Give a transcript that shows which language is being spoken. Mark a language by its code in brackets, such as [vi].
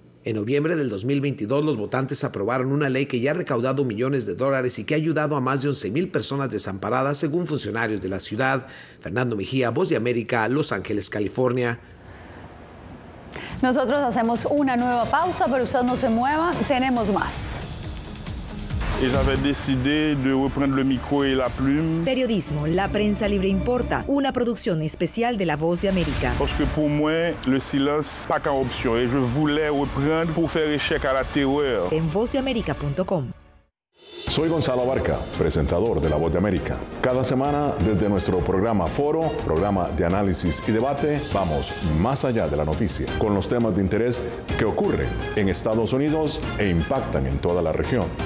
[es] En noviembre del 2022, los votantes aprobaron una ley que ya ha recaudado millones de dólares y que ha ayudado a más de 11,000 personas desamparadas, según funcionarios de la ciudad. Fernando Mejía, Voz de América, Los Ángeles, California. Nosotros hacemos una nueva pausa, pero usted no se mueva, tenemos más. [fr] J'avais décidé de reprendre le micro et la plume. [es] Periodismo, la prensa libre importa. Una producción especial de La Voz de América. [fr] Parce que pour moi, le silence pas qu'une option et je voulais reprendre pour faire échec à la terreur. [es] En vozdeamerica.com. Soy Gonzalo Abarca, presentador de La Voz de América. Cada semana, desde nuestro programa Foro, programa de análisis y debate, vamos más allá de la noticia, con los temas de interés que ocurren en Estados Unidos e impactan en toda la región.